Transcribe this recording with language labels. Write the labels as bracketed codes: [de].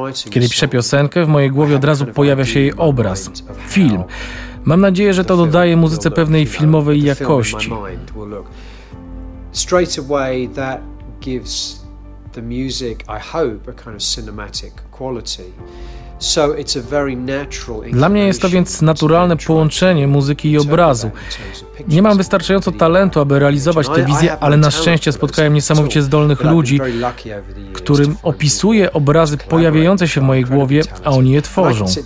[pl] Kiedy piszę piosenkę, w mojej głowie od razu pojawia się jej obraz, film. Mam nadzieję, że to dodaje muzyce pewnej filmowej jakości. [en] Straight away, that gives the music, I hope, a kind of cinematic quality. So it's a very natural. [pl] Dla mnie jest to więc naturalne połączenie muzyki i obrazu. Nie mam wystarczająco talentu, aby realizować tę wizję, ale na szczęście spotkałem niesamowicie zdolnych ludzi, którym opisuję obrazy pojawiające się w mojej głowie, a oni je tworzą.